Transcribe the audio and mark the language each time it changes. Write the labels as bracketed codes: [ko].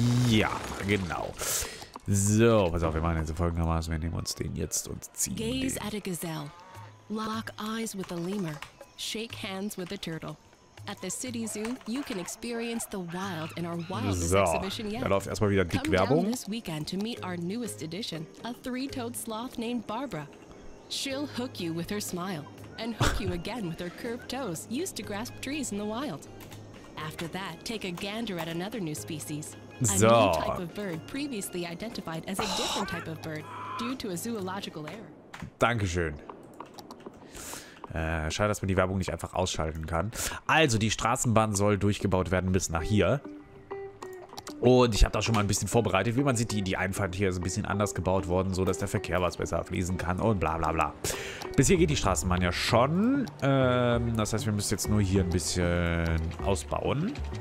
[de] Ja, genau. So, pass auf, wir machen jetzt folgendermaßen. Wir nehmen uns den jetzt und ziehen den. [en] Gaze at a gazelle. Lock eyes with a lemur. Shake hands with a turtle. At the City Zoo, you can experience the wild in our wildest exhibition yet. [de] Da läuft erstmal wieder dick Werbung. [en] Come down this weekend to meet our newest addition, a three-toed sloth named Barbara. She'll hook you with her smile and hook you again with her curved toes used to grasp trees in the wild. After that, take a gander at another new species. A new type of bird previously identified as a different type of bird due to a zoological error. [de] Dankeschön. Schade, dass man die Werbung nicht einfach ausschalten kann. Also, die Straßenbahn soll durchgebaut werden bis nach hier. Und ich habe da schon mal ein bisschen vorbereitet. Wie man sieht, die Einfahrt hier ist ein bisschen anders gebaut worden, so dass der Verkehr was besser fließen kann und bla bla bla. Bis hier geht die Straßenbahn ja schon. Das heißt, wir müssen jetzt nur hier ein bisschen ausbauen.